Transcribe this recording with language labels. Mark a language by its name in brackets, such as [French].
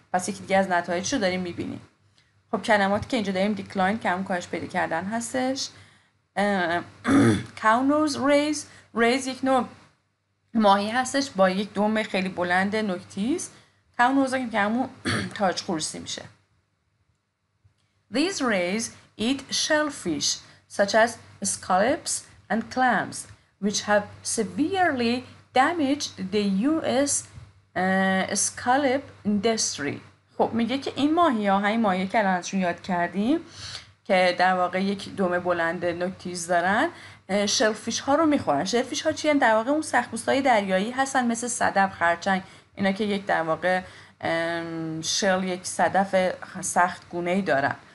[Persian] پس یکی دیگه از نتایجش رو داریم میبینیم. خب کلماتی که اینجا داریم دیکلاین که هم کاهش پیدا کردن هستش، کاونرز ریز، ریز یک نوع ماهی هستش با یک دم خیلی بلند نکتیز، کاونرز هم که همون تاج خروسی میشه. [English] These rays eat shellfish such as scallops and clams, which have severely damaged the U.S. Scallop industry. [Persian] خب میگه که این ماهی ها، همین ماهی که الانشون یاد کردیم که در واقع یک دومه بلند نکتیز دارن، شلفیش ها رو میخورن. شلفیش ها چیه؟ در واقع اون سخت‌پوست های دریایی هستن، مثل صدف، خرچنگ، اینا که یک در واقع شل، یک صدف سخت گونه ای دارن.